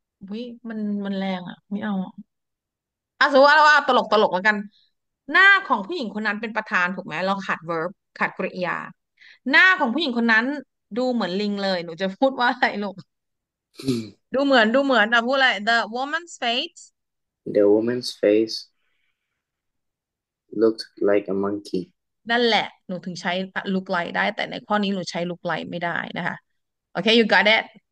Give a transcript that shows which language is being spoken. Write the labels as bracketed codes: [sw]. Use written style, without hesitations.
[th] วิมันแรงอ่ะไม่เอาอ่ะสมมติว่าเราตลกแล้วกันหน้าของผู้หญิงคนนั้นเป็นประธานถูกไหมเราขาด verb ขาดกริยาหน้าของผู้หญิงคนนั้นดูเหมือนลิงเลยหนูจะพูดว่าอะไรลูกดูเหมือนอ่ะพูดอะไร [en] The woman's face The woman's face looked like a monkey. [th] นั่นแหละหนูถึงใช้ look like ได้แต่ในข้อนี้หนูใช้ look like ไม่ได้นะคะโอเค [en] you got it